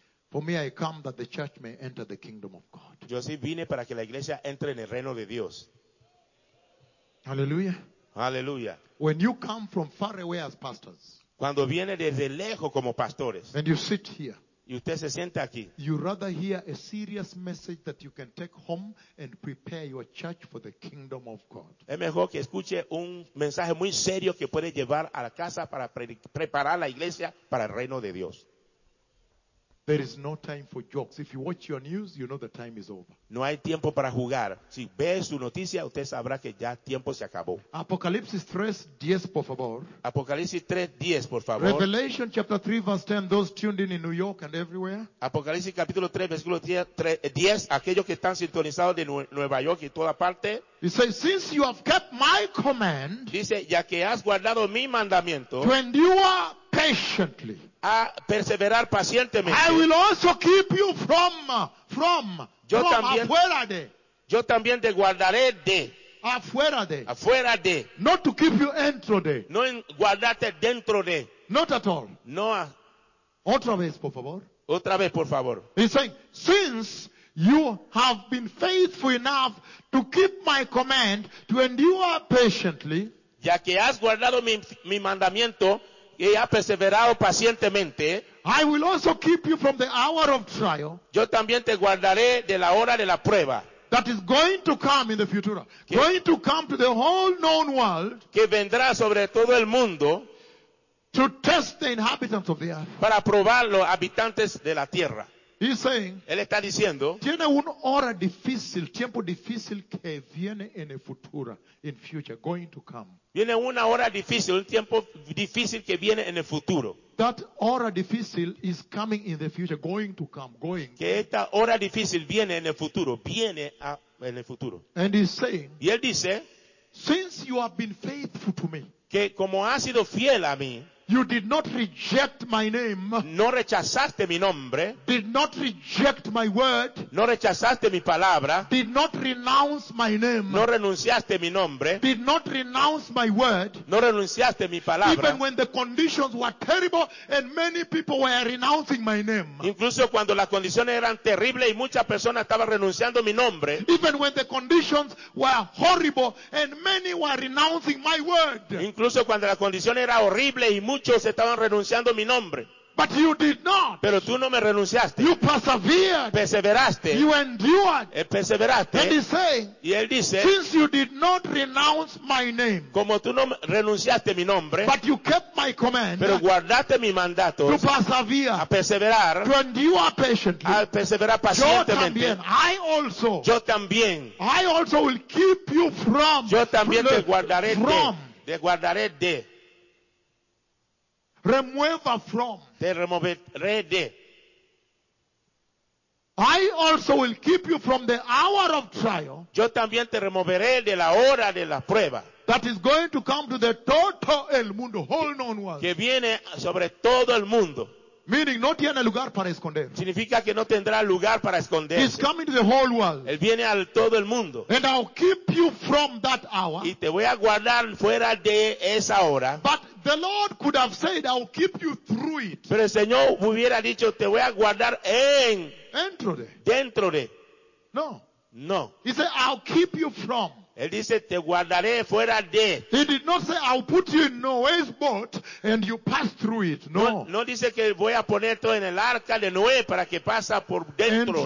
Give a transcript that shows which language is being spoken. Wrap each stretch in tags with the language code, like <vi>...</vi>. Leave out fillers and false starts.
<en>For me, I come that the church may enter the kingdom of God.</en> <es>Yo sí vine para que la iglesia entre en el reino de Dios.</es> <en>Hallelujah. Hallelujah. When you come from far away as pastors.</en> <es>Cuando viene desde lejos como pastores.</es> <en>And you sit here.</en> <es>Y usted se sienta aquí.</es> <en>You rather hear a serious message that you can take home and prepare your church for the kingdom of God.</en> <es>Es mejor que escuche un mensaje muy serio que puede llevar a la casa para preparar la iglesia para el reino de Dios.</es> <en>There is no time for jokes. If you watch your news, you know the time is over.</en> <es>No hay tiempo para jugar. Si ve su noticia, usted sabrá que ya tiempo se acabó. Apocalipsis 3:10, por favor. Apocalipsis 3:10, por favor.</es> <en>Revelation chapter 3 verse 10, those tuned in New York and everywhere.</en> <es>Apocalipsis capítulo 3 versículo 10, aquellos que están sintonizados de Nueva York y toda parte.</es> <en>He says, since you have kept my command,</en> <es>dice, ya que has guardado mi mandamiento,</es> <en>to endure patiently,</en> <es>a perseverar pacientemente.</es> <en>I will also keep you from</en> <es>afuera de. Yo también te guardaré de. Afuera de. Afuera de.</es> <en>Not to keep you</en> <es>dentro de. No guardarte dentro de.</es> <en>Not at all.</en> <es>No. Otra vez, por favor. Otra vez, por favor.</es> <en>He's saying, since you have been faithful enough to keep my command, to endure patiently,</en> <es>ya que has guardado mi mandamiento, y ha perseverado pacientemente,</es> <en>I will also keep you from the hour of trial.</en> <es>Yo también te guardaré de la hora de la prueba.</es> <en>That is going to come in the future. Going to come to the whole known world.</en> <es>Que vendrá sobre todo el mundo.</es> <en>To test the inhabitants of the earth.</en> <es>Para probar los habitantes de la tierra.</es> <en>He's saying,</en> <es>él está diciendo, tiene una hora difícil, tiempo difícil que viene en el futuro,</es> <en>in future, going to come.</en> <es>Viene una hora difícil, un tiempo difícil que viene en el futuro.</es> <en>That</en> <es>hora difícil</es> <en>is coming in the future, going to come, going.</en> <es>Que esta hora difícil viene en el futuro, viene a, en el futuro.</es> <en>And he's saying,</en> <es>y él dice,</es> <en>since you have been faithful to me,</en> <es>que como has sido fiel a mí,</es> <en>you did not reject my name.</en> <es>No rechazaste mi nombre.</es> <en>Did not reject my word.</en> <es>No rechazaste mi palabra.</es> <en>Did not renounce my name.</en> <es>No renunciaste mi nombre.</es> <en>Did not renounce my word.</en> <es>No renunciaste mi palabra.</es> <en>Even when the conditions were terrible and many people were renouncing my name.</en> <es>Incluso cuando las condiciones eran terribles y muchas personas estaban renunciando mi nombre.</es> <en>Even when the conditions were horrible and many were renouncing my word.</en> <es>Incluso cuando las condiciones eran horribles y muchos estaban renunciando mi nombre.</es> <en>But you did not.</en> <es>Pero tú no me renunciaste.</es> <en>You persevered.</en> <es>Perseveraste.</es> <en>You endured.</en> <es>Perseveraste.</es> <en>And he saying,</en> <es>y él dice,</es> <en>since you did not renounce my name,</en> <es>como tú no renunciaste mi nombre,</es> <en>but you kept my command,</en> <es>pero guardaste mi mandato,</es> <en>to persevere,</en> <es>a perseverar,</es> <en>to endure patiently,</en> <es>a perseverar pacientemente,</es> <en>I also will keep you from,</en> <es>yo también te guardaré</es> <en>from,</en> <es>de, te guardaré de, remueva</es> <en>from.</en> <es>Te removeré de.</es> <en>I also will keep you from the hour of trial.</en> <es>Yo también te removeré de la hora de la prueba.</es> <en>That is going to come to the</en> <es>todo el mundo,</es> <en>whole known world.</en> <es>Que viene sobre todo el mundo.</es> <en>Meaning,</en> <es>no tiene lugar para esconder. Significa que no tendrá lugar para esconderse.</es> <en>He's coming to the whole world.</en> <es>Él viene al todo el mundo.</es> <en>And I'll keep you from that hour.</en> <es>Y te voy a guardar fuera de esa hora.</es> <en>But the Lord could have said, I'll keep you through it.</en> <es>Pero el Señor hubiera dicho, te voy a guardar en. Dentro de. Dentro de. No. No.</es> <en>He said, I'll keep you from.</en> <es>Él dice, te guardaré fuera de.</es> <en>He did not say, I'll put you in Noah's boat and you pass through it.</en> <es>No. No dice que voy a poner todo en el arca de Noé para que pasa por dentro.</es>